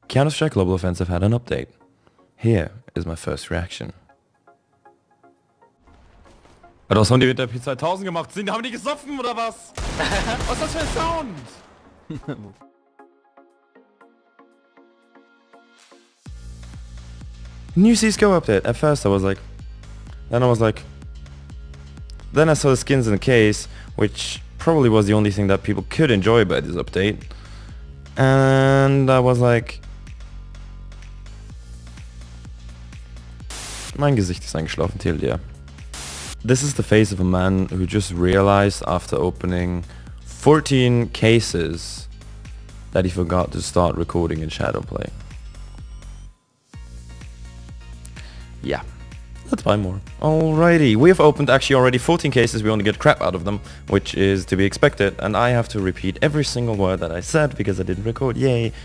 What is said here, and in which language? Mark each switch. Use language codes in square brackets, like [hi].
[en] Counter-Strike Global Offensive had an update. Here is my first reaction. [de] Was haben die mit der P2000 gemacht? Haben die gesoffen oder was? Was ist das für ein Sound? [en] New CSGO update. At first I was like... Then I was like... Then I saw the skins in the case, which probably was the only thing that people could enjoy about this update. And I was like... [de] Mein Gesicht ist eingeschlafen, TLDR. [en] This is the face of a man who just realized after opening 14 cases that he forgot to start recording in Shadowplay. Yeah, let's buy more. Alrighty, we have opened actually already 14 cases, we only get crap out of them, which is to be expected, and I have to repeat every single word that I said because I didn't record, yay.